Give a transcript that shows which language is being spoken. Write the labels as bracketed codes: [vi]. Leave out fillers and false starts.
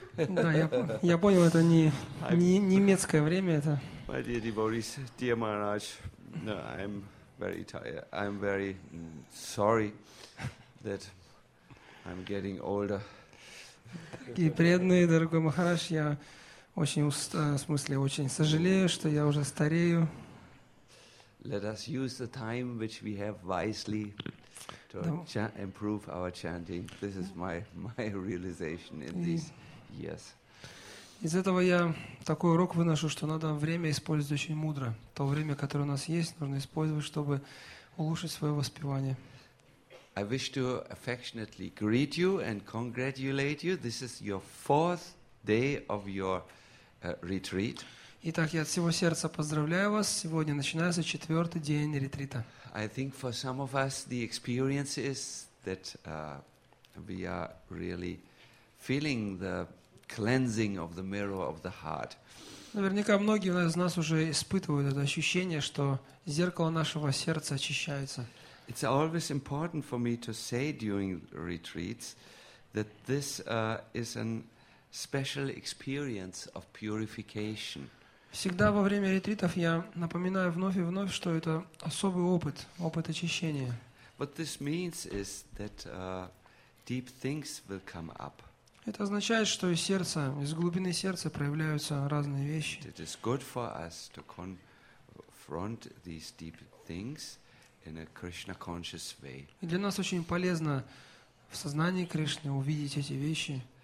[ru] Да, я понял, это не немецкое время это. [en] My dear devotees, dear Maharaj, no, I'm very tired. I'm very sorry that I'm getting older. [ru] И преданный, дорогой Махарадж, я очень очень сожалею, что я уже старею. [en] Let us use the time which we have wisely to improve our chanting. This is my realization in these years. [ru] Из этого я такой урок выношу, что надо время использовать очень мудро. То время, которое у нас есть, нужно использовать, чтобы улучшить свое воспевание. [en] I wish to affectionately greet you and congratulate you. This is your fourth day of your retreat. [ru] Итак, я от всего сердца поздравляю вас. Сегодня начинается четвертый день ретрита. [en] I think for some of us the experience is that we are really feeling the cleansing of the mirror of the heart. [ru] Наверняка многие из нас уже испытывают это ощущение, что зеркало нашего сердца очищается. [en] It's always important for me to say during retreats that this is a special experience of purification. [ru] Всегда во время ретритов я напоминаю вновь и вновь, что это особый опыт, опыт очищения. [en] What this means is that deep things will come up. [ru] Это означает, что из сердца, из глубины сердца проявляются разные вещи. [en] It is good for us to confront these deep things in a Krishna-conscious way. [ru] И для нас очень полезно в сознании Кришны увидеть эти вещи.